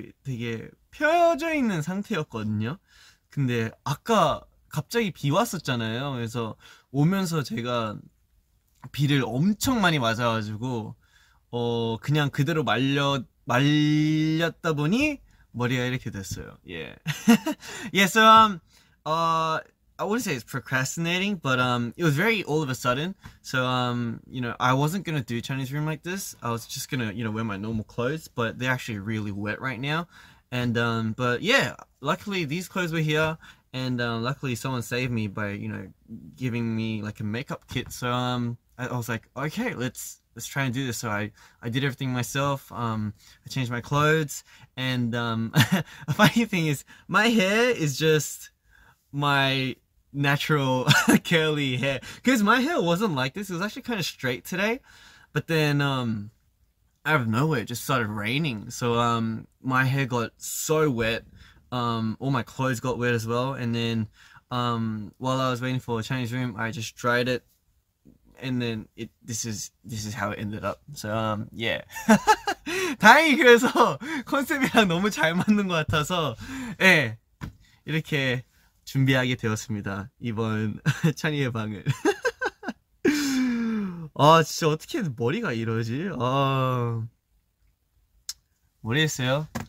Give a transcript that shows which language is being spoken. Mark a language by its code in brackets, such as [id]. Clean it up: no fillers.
[ko] 되게 펴져 있는 상태였거든요. 근데 아까 갑자기 비 왔었잖아요. 그래서 오면서 제가 비를 엄청 많이 맞아가지고 그냥 그대로 말렸다 보니 머리가 이렇게 됐어요. 예. Yeah. [en] Yeah, so I wouldn't say it's procrastinating, but it was very all of a sudden. So I wasn't gonna do Chinese room like this. I was just gonna, wear my normal clothes, but they're actually really wet right now. And but yeah, luckily these clothes were here, and luckily someone saved me by, giving me like a makeup kit. So I was like, okay, let's try and do this. So I did everything myself. I changed my clothes, and a funny thing is my hair is just my natural curly hair, because my hair wasn't like this. It was actually kind of straight today, but then out of nowhere it just started raining, so my hair got so wet. All my clothes got wet as well, and then while I was waiting for a Chinese room, I just dried it, and then this is how it ended up. So yeah. [ko] 다행히 그래서 컨셉이랑 너무 잘 맞는 것 같아서 예 이렇게 준비하게 되었습니다. 이번 찬이의 방을. 아, 진짜 어떻게 머리가 이러지? 아, 모르겠어요.